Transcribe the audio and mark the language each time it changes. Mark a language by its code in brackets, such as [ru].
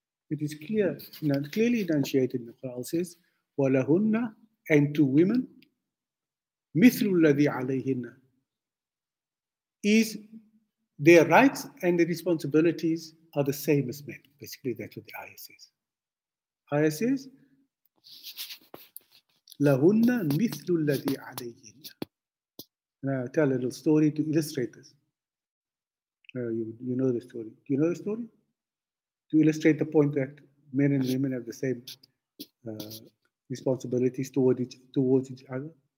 [en] It is clear, clearly enunciated in the Quran, says, وَلَهُنَّ and to women, [ar] مِثْلُ الَّذِي عَلَيْهِنَّ [en] is their rights and their responsibilities are the same as men. Basically, that's what the ayah says. Ayah says, [ar] لَهُنَّ مِثْلُ الَّذِي عَلَيْهِنَّ. [en] Now, I'll tell a little story to illustrate this. You know the story. Do you know the story? To illustrate the point that men and women have the same responsibilities towards each other.